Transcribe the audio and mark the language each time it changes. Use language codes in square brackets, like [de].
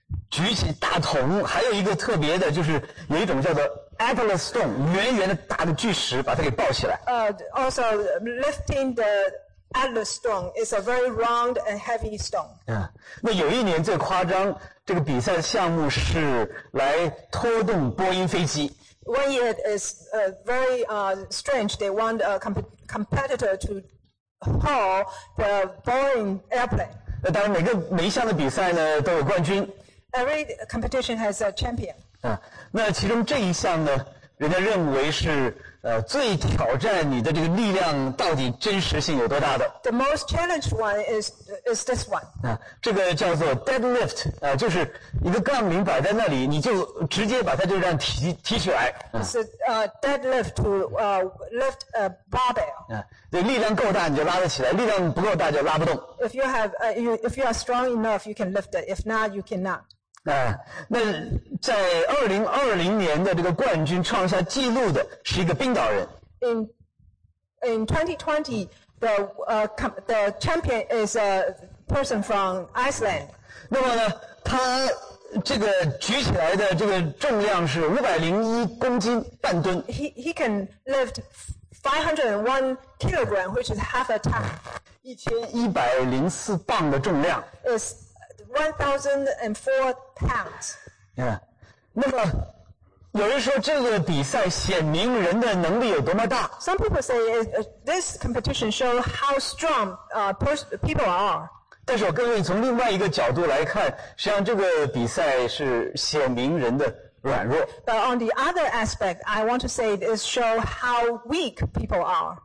[zh] 举起大桶，还有一个特别的，就是有一种叫做 Apollo Stone， 圆圆的大的巨石，把它给抱起来。 [en] Also lifting the Apollo Stone is a very round and heavy stone. [zh] 那有一年最夸张，这个比赛的项目是来拖动波音飞机。 [en] One year is very strange. They want a competitor to haul the Boeing airplane. [zh] 那当然，每一项的比赛呢都有冠军。 [en] Every competition has a champion. [zh] 那其中这一项呢，人家认为是最挑战你的这个力量到底真实性有多大的。 [en] The most challenged one is this one. [zh] 这个叫做 deadlift, 就是一个杠铃摆在那里，你就直接把它就让提起来。 [en] It's a deadlift to lift a barbell. [zh] 对，力量够大你就拉得起来，力量不够大就拉不动。 [en] If you are strong enough, you can lift it. If not, you cannot. [zh] 那在2020年的这个冠军创下纪录的是一个冰岛人。 [en] In 2020, the champion is a person from Iceland. [zh] 那么呢，他这个举起来的这个重量是501公斤半吨。 [en] He can lift 501 kilogram, which is half a ton. [zh] 1104磅的重量。 [en] Is 1,004 pounds. Yeah. [zh] 那么有人说这个比赛显明人的能力有多么大。 [en] Some people say this competition show how strong people are. [zh] 但是我各位从另外一个角度来看，实际上这个比赛是显明人的软弱。 [en] But on the other aspect, I want to say it is show how weak people are.